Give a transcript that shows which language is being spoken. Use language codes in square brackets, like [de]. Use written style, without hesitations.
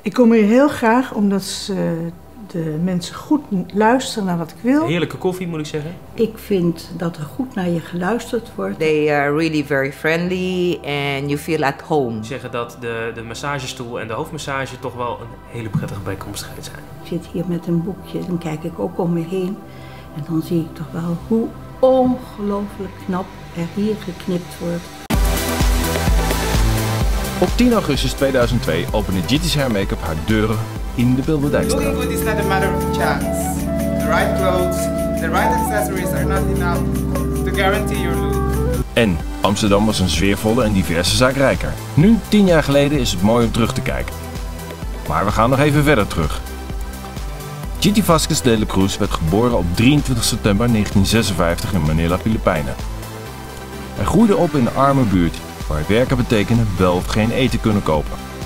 [nl] Ik kom hier heel graag omdat ze de mensen goed luisteren naar wat ik wil. Heerlijke koffie, moet ik zeggen. Ik vind dat er goed naar je geluisterd wordt. [en] They are really very friendly and you feel at home. [nl] Ze zeggen dat de massagestoel en de hoofdmassage toch wel een hele prettige bijkomstigheid zijn. Ik zit hier met een boekje, dan kijk ik ook om me heen. En dan zie ik toch wel hoe ongelooflijk knap er hier geknipt wordt. Op 10 augustus 2002 opende Jitty's Hair Makeup haar deuren in de Bilberdijkstraat. [en] Looking good is not a matter of chance. The right clothes, the right accessories are not enough to guarantee your look. [nl] En Amsterdam was een sfeervolle en diverse zaak rijker. Nu, 10 jaar geleden, is het mooi om terug te kijken. Maar we gaan nog even verder terug. Jitty Vasquez de la Cruz werd geboren op 23 september 1956 in Manila, Filipijnen. Hij groeide op in een arme buurt, waar werken betekende wel of geen eten kunnen kopen.